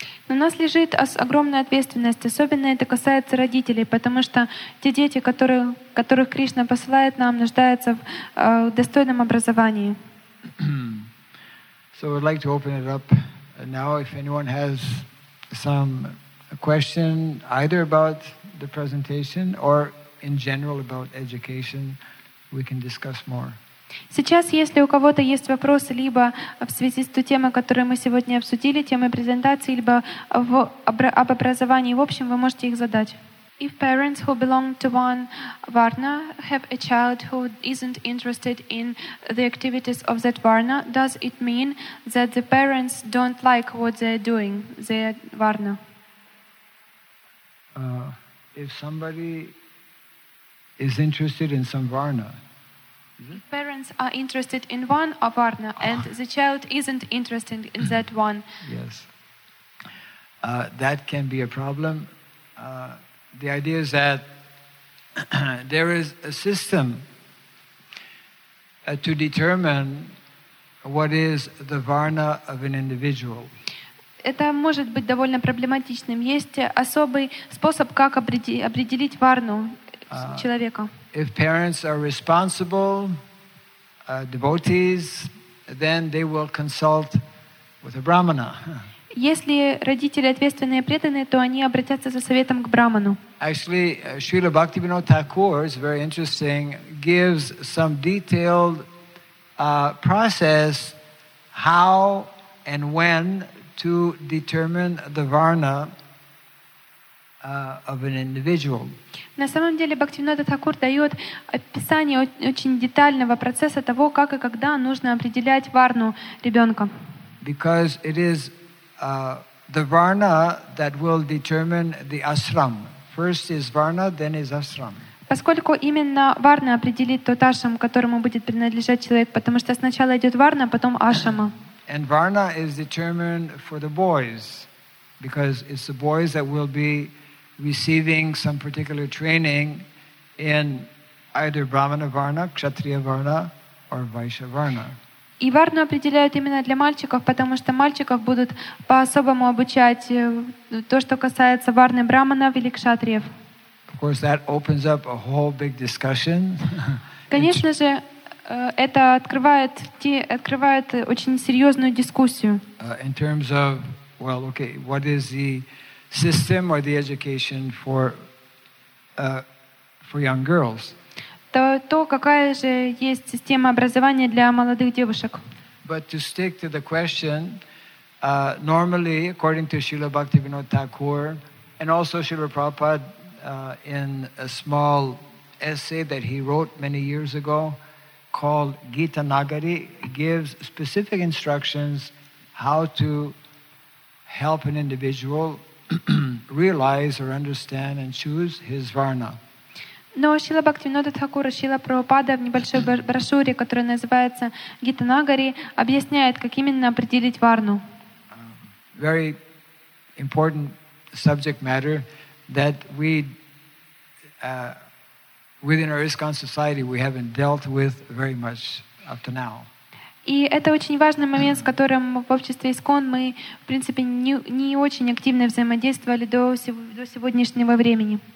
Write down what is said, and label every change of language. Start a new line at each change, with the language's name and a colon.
Russian: На нас лежит огромная ответственность, особенно это касается родителей, потому что те дети, которых Кришна посылает нам, нуждаются в достойном образовании.
English: So I'd like to open it up now if anyone has some question either about the presentation or in general about education. We can discuss more.
Russian: Сейчас, если у кого-то есть вопросы либо в связи с той темой, которую мы сегодня обсудили, темой презентации, либо об образовании в общем, вы можете их задать.
English: If parents who belong to one varna have a child who isn't interested in the activities of that varna, does it mean that the parents don't like what they're doing, the varna? If somebody is interested in some varna. If parents are interested in one of varna and the child isn't interested in that one. Yes. That can be a problem. The idea is that there is a system to determine what is the varna of an individual.
Russian: Это может быть довольно проблематичным. Есть особый способ, как определить варну человека.
English: If parents are responsible devotees, then they will consult with a brahmana.
Russian: Если родители ответственные преданные, то они обратятся за советом к брахману.
English: Actually, Srila Bhaktivinoda Thakur is very interesting. Gives some detailed process how and when to determine the varna of an individual.
Russian: На самом деле, Бхактивинода Такур дает описание очень детального процесса того, как и когда нужно определять варну ребенка.
English: Because it is the varna that will determine the ashram. First is varna, then is ashram.
Russian: Поскольку именно варна определит тот ашрам, которому будет принадлежать человек, потому что сначала идет варна, потом ашрама.
English: And varna is determined for the boys, because it's the boys that will be receiving some particular training in either brahmana varna, kshatriya varna, or vaishya varna.
Russian: И варну определяют именно для мальчиков, потому что мальчиков будут по-особому обучать то, что касается варны брахманов или кшатриев.
English: Of course, that opens up a whole big discussion.
Russian: Конечно же, это открывает очень серьезную дискуссию.
English: In terms of, well, okay, what is the system or the education for young girls?
Russian: То какая же есть система образования для молодых девушек?
English: But to stick to the question, normally, according to Srila Bhaktivinoda Thakur and also Srila Prabhupada, in a small essay that he wrote many years ago called Gita Nagari, gives specific instructions how to help an individual realize or understand and choose his varna.
Russian: Но Шрила Бхактивинода Тхакура, Шрила Прабхупада в небольшой брошюре, которая называется Гита Нагари, объясняет, как именно определить варну.
English: Very important subject matter that we within our ISKCON society we haven't dealt with very much up to now.
Russian: И это очень важный момент, с которым в обществе ИСКОН мы, в принципе, не очень активно взаимодействовали до сегодняшнего времени.